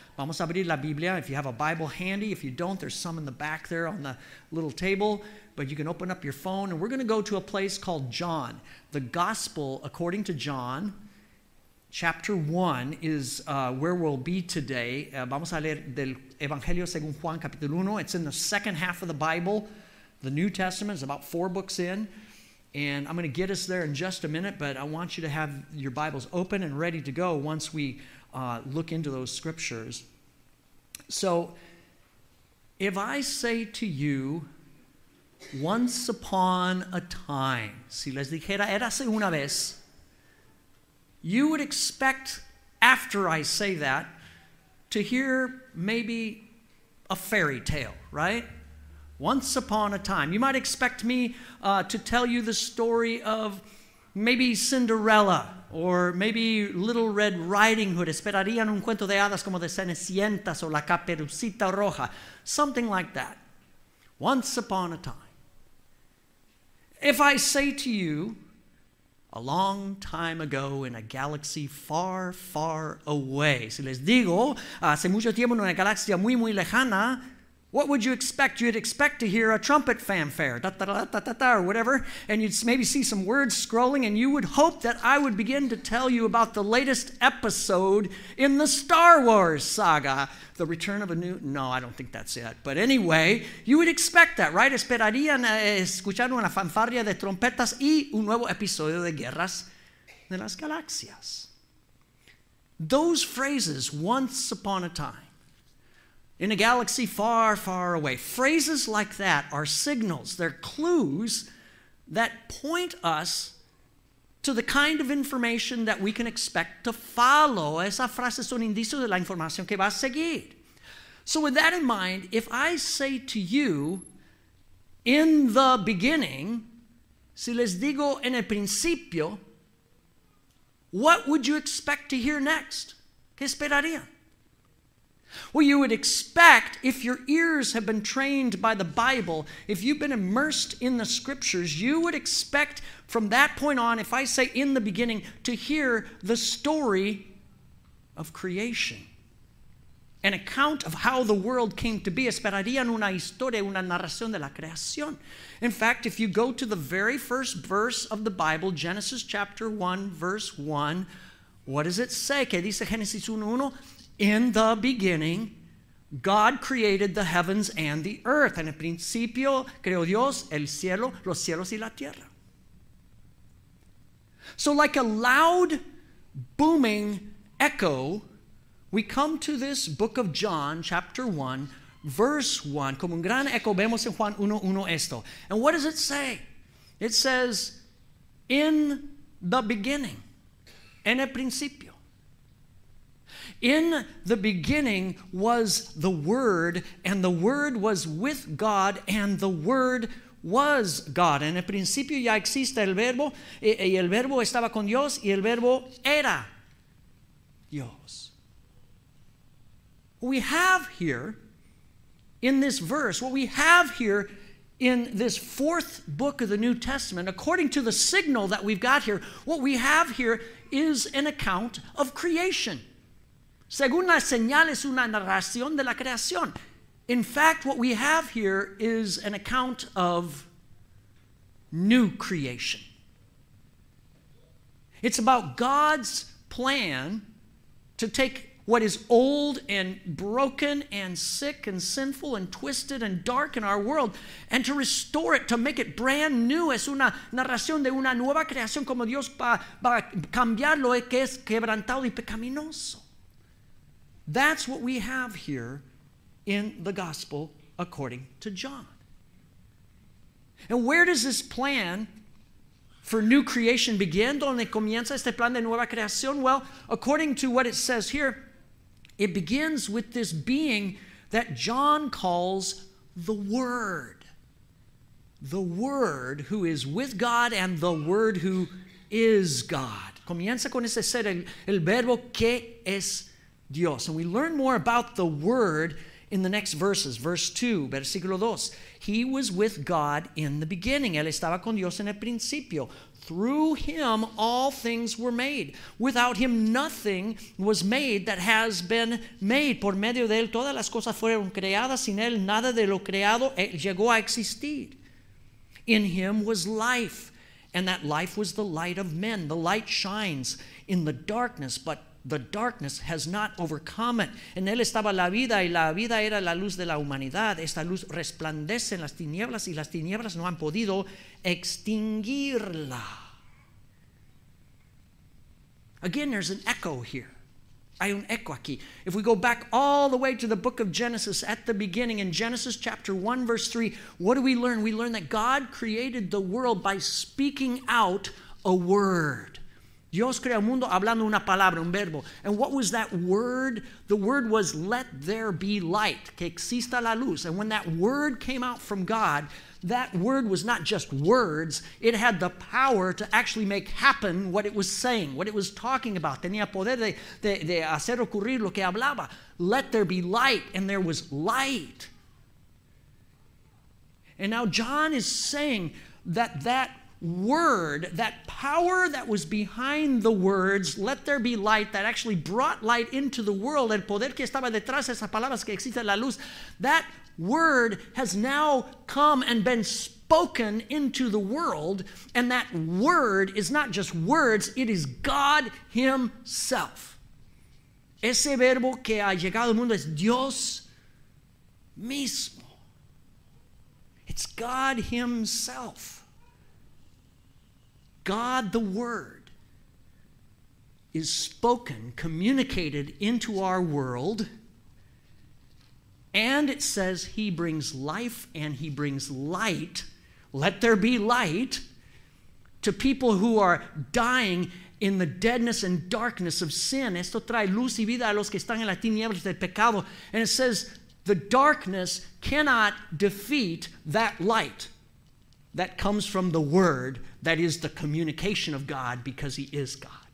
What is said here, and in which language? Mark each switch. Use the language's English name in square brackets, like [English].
[Spanish] Vamos a abrir la Biblia. [English] If you have a Bible handy, if you don't, there's some in the back there on the little table. But you can open up your phone, and we're going to go to a place called John. The Gospel, according to John, chapter 1, is where we'll be today. [Spanish] Vamos a leer del Evangelio según Juan, capítulo 1. [English] It's in the second half of the Bible. The New Testament is about four books in. And I'm going to get us there in just a minute, but I want you to have your Bibles open and ready to go once we look into those scriptures. So, if I say to you, once upon a time, [Spanish] si les dijera, érase una vez, [English] you would expect, after I say that, to hear maybe a fairy tale, right? Once upon a time. You might expect me to tell you the story of maybe Cinderella or maybe Little Red Riding Hood. [Spanish] Esperarían un cuento de hadas como de Cenicientas o La Caperucita Roja. [English] Something like that. Once upon a time. If I say to you, a long time ago in a galaxy far, far away. [Spanish] Si les digo, hace mucho tiempo en una galaxia muy, muy lejana. [English] What would you expect? You'd expect to hear a trumpet fanfare, da-da-da-da-da-da, or whatever, and you'd maybe see some words scrolling, and you would hope that I would begin to tell you about the latest episode in the Star Wars saga, The Return of a New... No, I don't think that's it. But anyway, you would expect that, right? [Spanish] Esperarían escuchar una fanfarria de trompetas y un nuevo episodio de Guerras de las Galaxias. [English] Those phrases, once upon a time, in a galaxy far, far away. Phrases like that are signals. They're clues that point us to the kind of information that we can expect to follow. [Spanish] Esas frases son indicios de la información que va a seguir. [English] So with that in mind, if I say to you, in the beginning, [Spanish] si les digo en el principio, [English] what would you expect to hear next? [Spanish] ¿Qué esperarían? [English] Well, you would expect, if your ears have been trained by the Bible, if you've been immersed in the scriptures, you would expect from that point on, if I say in the beginning, to hear the story of creation. An account of how the world came to be. [Spanish] Esperarían una historia, una narración de la creación. [English] In fact, if you go to the very first verse of the Bible, Genesis chapter 1, verse 1, what does it say? [Spanish] ¿Qué dice Genesis 1:1? [English] In the beginning, God created the heavens and the earth. [Spanish] En el principio, creó Dios el cielo, los cielos y la tierra. [English] So like a loud, booming echo, we come to this book of John, chapter 1, verse 1. [Spanish] Como un gran eco, vemos en Juan 1:1 esto. [English] And what does it say? It says, in the beginning, [Spanish] en el principio. [English] In the beginning was the Word, and the Word was with God, and the Word was God. [Spanish] En el principio ya existe el Verbo, y el Verbo estaba con Dios, y el Verbo era Dios. [English] What we have here in this verse, what we have here in this fourth book of the New Testament, according to the signal that we've got here, what we have here is an account of creation. [Spanish] Según la señal, es una narración de la creación. [English] In fact, what we have here is an account of new creation. It's about God's plan to take what is old and broken and sick and sinful and twisted and dark in our world and to restore it, to make it brand new. [Spanish] Es una narración de una nueva creación como Dios va a cambiar lo que es quebrantado y pecaminoso. [English] That's what we have here in the Gospel according to John. And where does this plan for new creation begin? [Spanish] ¿Dónde comienza este plan de nueva creación? [English] Well, according to what it says here, it begins with this being that John calls the Word. The Word who is with God and the Word who is God. [Spanish] Comienza con ese ser, el verbo que es Dios. [English] And we learn more about the Word in the next verses, verse 2, [Spanish] versículo 2. [English] He was with God in the beginning. [Spanish] Él estaba con Dios en el principio. [English] Through him, all things were made. Without him, nothing was made that has been made. [Spanish] Por medio de él, todas las cosas fueron creadas. Sin él, nada de lo creado llegó a existir. [English] In him was life, and that life was the light of men. The light shines in the darkness, but the darkness has not overcome it. [Spanish] En él estaba la vida, y la vida era la luz de la humanidad. Esta luz resplandece en las tinieblas, y las tinieblas no han podido extinguirla. [English] Again, there's an echo here. [Spanish] Hay un eco aquí. [English] If we go back all the way to the book of Genesis at the beginning, in Genesis chapter 1, verse 3, what do we learn? We learn that God created the world by speaking out a word. [Spanish] Dios crea el mundo hablando una palabra, un verbo. [English] And what was that word? The word was, let there be light, [Spanish] que exista la luz. [English] And when that word came out from God, that word was not just words. It had the power to actually make happen what it was saying, what it was talking about. Tenía poder de hacer ocurrir lo que hablaba. Let there be light, and there was light. And now John is saying that that word, that power that was behind the words, let there be light, that actually brought light into the world, [Spanish] el poder que estaba detrás de esas palabras que existe la luz, [English] that word has now come and been spoken into the world, and that word is not just words, it is God himself. [Spanish] Ese verbo que ha llegado al mundo es Dios mismo. [English] It's God himself. God, the Word, is spoken, communicated into our world, and it says he brings life and he brings light, let there be light, to people who are dying in the deadness and darkness of sin. [Spanish] Esto trae luz y vida a los que están en las tinieblas del pecado. [English] And it says the darkness cannot defeat that light that comes from the Word, that is the communication of God, because he is God.